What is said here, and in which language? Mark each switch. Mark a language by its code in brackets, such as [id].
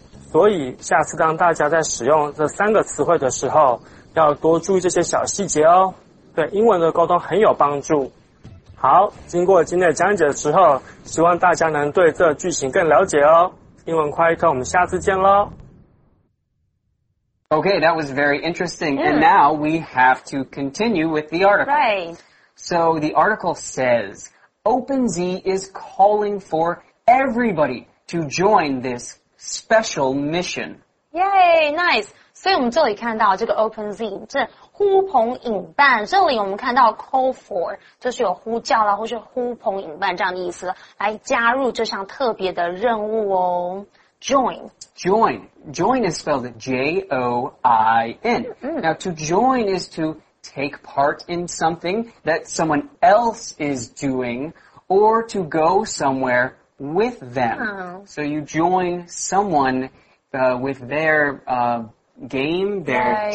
[zh] 所以下次当大家在使用这三个词汇的时候要多注意这些小细节哦，对英文的沟通很有帮助。好，经过今天的讲解的时候，希望大家能对这句型更了解哦。英文快一通，我们下次见咯。 [en] Okay, that was very interesting. Mm. And now we have to continue with the article. Right. So the article says, OpenZ is calling for everybody to join this special mission. Yay, nice. [zh] 所以我们这里看到这个 OpenZ, 这呼朋引伴，这里我们看到 call for, 就是有呼叫啦，或是呼朋引伴这样的意思，来加入这项特别的任务哦。 [en] Join is spelled J-O-I-N. Mm-hmm. Now, to join is to take part in something that someone else is doing or to go somewhere with them. Uh-huh. So you join someone with their game, their